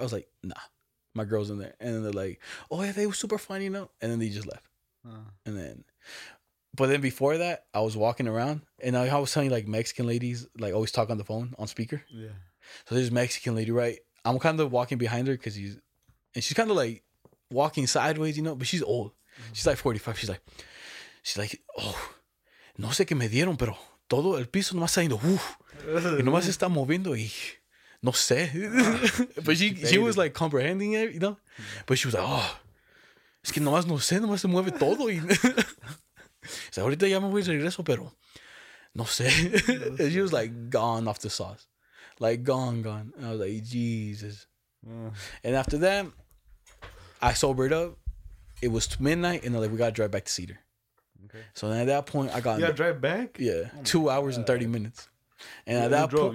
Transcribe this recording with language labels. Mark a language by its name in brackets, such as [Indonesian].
[English] I was like, nah, my girl's in there. And then they're like, oh yeah, they were super funny, you know? And then they just left. And then, but then before that, I was walking around and I was telling you, like, Mexican ladies like always talk on the phone on speaker. Yeah. So there's a Mexican lady, right? I'm kind of walking behind her because she's kind of like walking sideways, you know, but she's old. Mm-hmm. She's like 45. She's like, oh, [Spanish] no sé qué me dieron, pero todo el piso no más saliendo. Y no más está moviendo y no sé. [English] But she was like comprehending it, you know? [Spanish] Mm-hmm. [English] But she was like, oh, [Spanish] es que no más no sé, no más se mueve todo. Y so ahorita ya me voy a regreso, pero no sé. [English] And she was like gone off the sauce. Like gone. And I was like, Jesus. And after that, I sobered up. It was midnight and they're like, we gotta drive back to Cedar. Okay. So then at that point I got you gotta drive back? Yeah. Oh 2 hours God. And 30 minutes. And yeah, at that point.